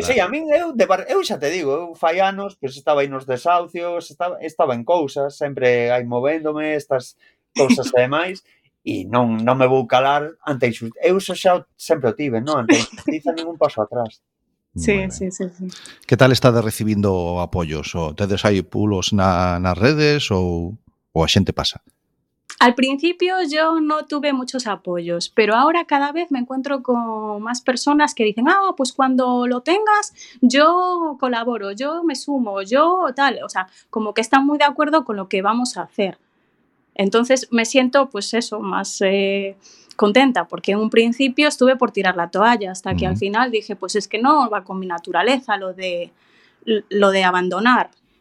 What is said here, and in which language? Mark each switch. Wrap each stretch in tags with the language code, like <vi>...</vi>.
<gl>dá. Sí, a mí, eu xa te digo, eu fai anos, pues estaba aí nos desahucios, estaba en cousas, sempre aí movéndome, estas cousas e demais, e non me vou calar ante iso. Eu xa sempre o tive, non? Ante iso, ningún paso atrás. Sí. Que tal está de recibindo apoios? O tedes hai pulos nas redes ou a xente pasa?</gl> <es>Al principio yo no tuve muchos apoyos, pero ahora cada vez me encuentro con más personas que dicen, ah, pues cuando lo tengas yo colaboro, yo me sumo, yo tal, o sea, como que están muy de acuerdo con lo que vamos a hacer. Entonces me siento, pues eso, más contenta, porque en un principio estuve por tirar la toalla, hasta que al final dije, pues es que no va con mi naturaleza lo de abandonar.</es>